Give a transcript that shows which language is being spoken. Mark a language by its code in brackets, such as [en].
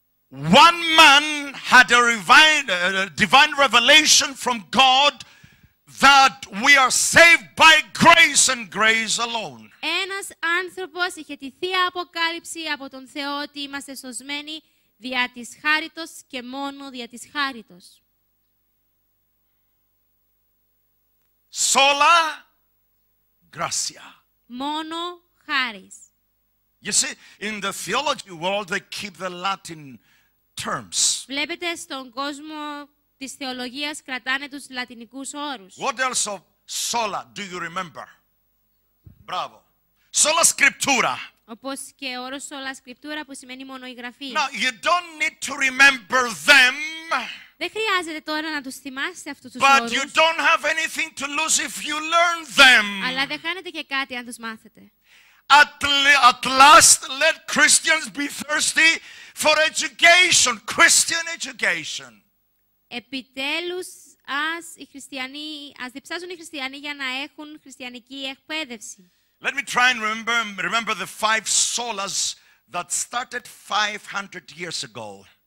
[en] One man had a divine revelation from God that we are saved by grace and grace alone. [el] Ένας άνθρωπος είχε τη θεία αποκάλυψη από τον Θεό ότι είμαστε σωσμένοι δια της χάριτος και μόνο δια της χάριτος. [la] Sola gratia. [el] Μόνο χάρις. [en] You see, in the theology world, they keep the Latin terms. [el] Βλέπετε στον κόσμο της θεολογίας κρατάνε τους λατινικούς όρους. [en] What else of sola do you remember? [la] Bravo. Sola scriptura. [el] Όπως και όρος sola scriptura που σημαίνει μόνο η γραφή. [en] Now you don't need to remember them. [el] Δεν χρειάζεται τώρα να τους θυμάστε αυτούς τους [en] but [el] όρους. [en] But you don't have anything to lose if you learn them. [el] Αλλά δεν χάνετε και κάτι αν τους μάθετε. [en] At last, let Christians be thirsty for education, Christian education. [el] Επιτέλους, ας διψάζουν οι χριστιανοί για να έχουν χριστιανική εκπαίδευση. [en] Let me try and remember the five solas that started 500 years ago.